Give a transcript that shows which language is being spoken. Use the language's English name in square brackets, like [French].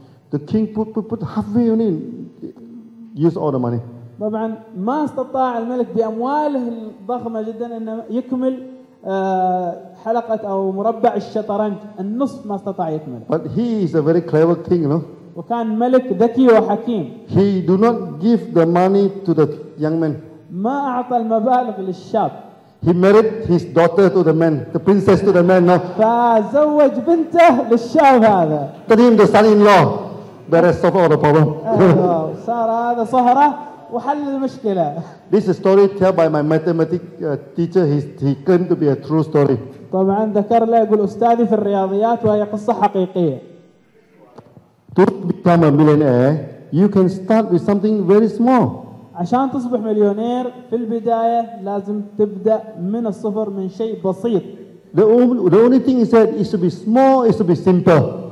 [English] The king put half of it in. Use all the money. [Arabic] طبعا ما استطاع الملك بأمواله الضخمة جدا أن يكمل حلقة أو مربع الشطرنج النصف ما استطاع يكمل. [English] But he is a very clever king, you know. [Arabic] وكان ملك ذكي وحكيم. [English] He do not give the money to the young man. [Arabic] ما أعطى المبالغ للشاب. [English] He married his daughter to the man, the princess to the man, no. [Arabic] فزوج بنته للشاب هذا. [English] Became the son-in-law. The rest of all the problem. [Arabic] صار هذا صهرة وحل المشكلة. [English] This is a story told by my mathematics teacher. He claimed to be a true story. [Arabic] طبعا ذكر له يقول أستاذي في الرياضيات وهي قصة حقيقية. [English] To become a millionaire, you can start with something very small. [Arabic] عشان تصبح مليونير في البداية لازم تبدأ من الصفر من شيء بسيط. [English] The only thing he said is to be small, is to be simple.